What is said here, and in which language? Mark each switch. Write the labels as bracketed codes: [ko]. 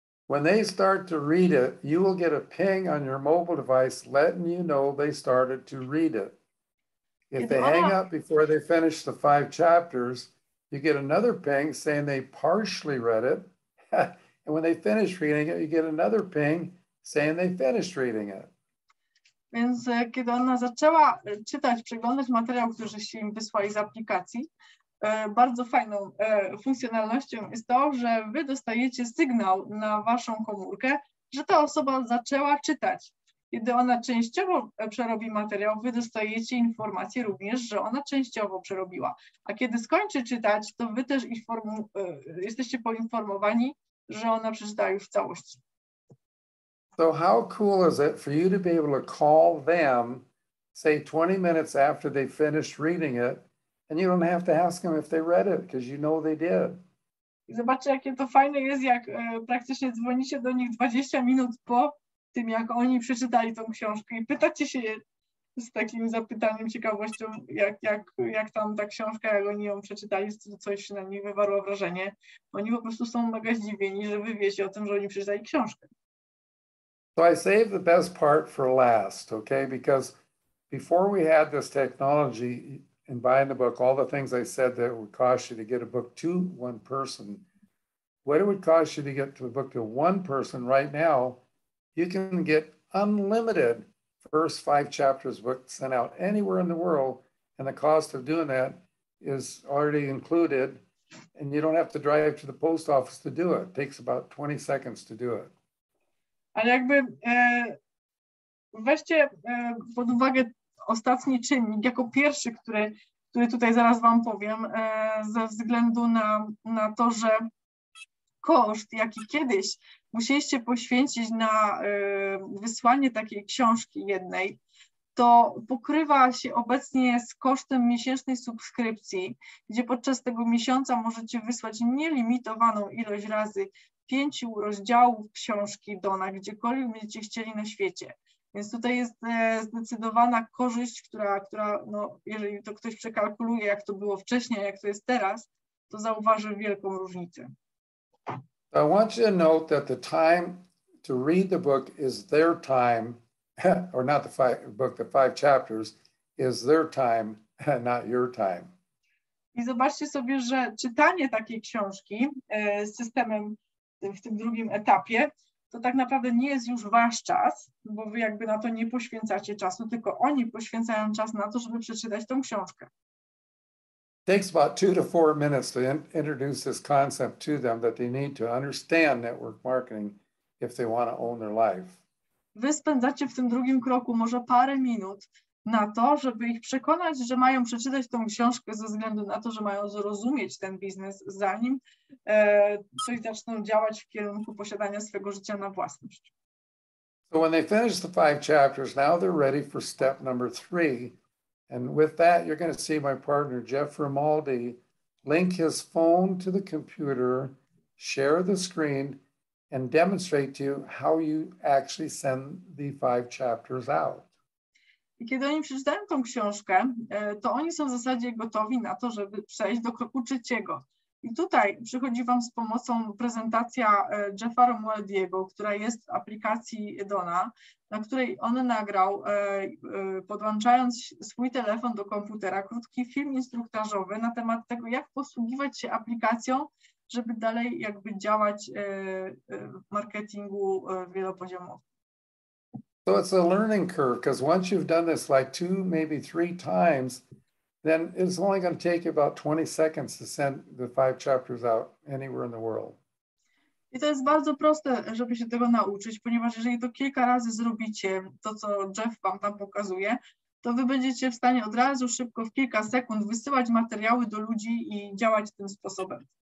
[en] When they start to read it, you will get a ping on your mobile device letting you know they started to read it. If they hang up before they finish the five chapters, you get another ping saying they partially read it. And when they finish reading it, you get another ping saying they finished reading it. [pl] Więc kiedy ona zaczęła czytać, przeglądać materiał, który się im wysłał z aplikacji, bardzo fajną funkcjonalnością jest to, że wy dostajecie sygnał na waszą komórkę, że ta osoba zaczęła czytać. Kiedy ona częściowo przerobi materiał, wy dostajecie informację również, że ona częściowo przerobiła. A kiedy skończy czytać, to wy też jesteście poinformowani, że ona przeczytała już w całości. [en] So how cool is it for you to be able to call them, say 20 minutes after they finished reading it, and you don't have to ask them if they read it, because you know they did. [pl] Zobaczcie, jakie to fajne jest, jak praktycznie dzwonicie do nich 20 minut po tym, jak oni przeczytali tą książkę i pytacie się z takim zapytaniem, ciekawością, jak tam ta książka, jak oni ją przeczytali, coś na nich wywarło wrażenie. Oni po prostu są mega zdziwieni, że wy wiecie o tym, że oni przeczytali książkę. [en] So I saved the best part for last, okay? Because before we had this technology in buying the book, all the things I said that it would cost you to get a book to one person, what it would cost you to get to a book to one person right now, you can get unlimited first five chapters book sent out anywhere in the world, and the cost of doing that is already included, and you don't have to drive to the post office to do it. It takes about 20 seconds to do it. [pl] Ale jakby weźcie pod uwagę ostatni czynnik, jako pierwszy, który tutaj zaraz wam powiem, ze względu na to, że koszt, jaki kiedyś musieliście poświęcić na wysłanie takiej książki jednej, to pokrywa się obecnie z kosztem miesięcznej subskrypcji, gdzie podczas tego miesiąca możecie wysłać nielimitowaną ilość razy 5 rozdziałów książki Dona, gdziekolwiek będziecie chcieli na świecie. Więc tutaj jest zdecydowana korzyść, która no, jeżeli to ktoś przekalkuluje, jak to było wcześniej, jak to jest teraz, to zauważy wielką różnicę. [en] I want you to note that the time to read the book is their time, or not the book, the five chapters, is their time, not your time. [pl] I zobaczcie sobie, że czytanie takiej książki z systemem w tym drugim etapie, to tak naprawdę nie jest już wasz czas, bo wy jakby na to nie poświęcacie czasu, tylko oni poświęcają czas na to, żeby przeczytać tą książkę. [en] It takes about 2 to 4 minutes to introduce this concept to them that they need to understand network marketing if they want to own their life. [pl] Wy spędzacie w tym drugim kroku może parę minut na to, żeby ich przekonać, że mają przeczytać tą książkę ze względu na to, że mają zrozumieć ten biznes, zanim coś zaczną działać w kierunku posiadania swego życia na własność. [en] So when they finish the five chapters, now they're ready for step number 3. And with that, you're going to see my partner, Jeff Rimaldi, link his phone to the computer, share the screen, and demonstrate to you how you actually send the five chapters out. [pl] I kiedy oni przeczytają tą książkę, to oni są w zasadzie gotowi na to, żeby przejść do kroku trzeciego. I tutaj przychodzi wam z pomocą prezentacja Jeffa Romualdiego, która jest w aplikacji Dona, na której on nagrał, podłączając swój telefon do komputera, krótki film instruktażowy na temat tego, jak posługiwać się aplikacją, żeby dalej jakby działać w marketingu wielopoziomowym. [en] So it's a learning curve, because once you've done this like 2, maybe 3 times, then it's only going to take you about 20 seconds to send the 5 chapters out anywhere in the world. [pl] I to jest bardzo proste, żeby się tego nauczyć, ponieważ jeżeli to kilka razy zrobicie, to co Jeff wam tam pokazuje, to wy będziecie w stanie od razu szybko w kilka sekund wysyłać materiały do ludzi i działać tym sposobem.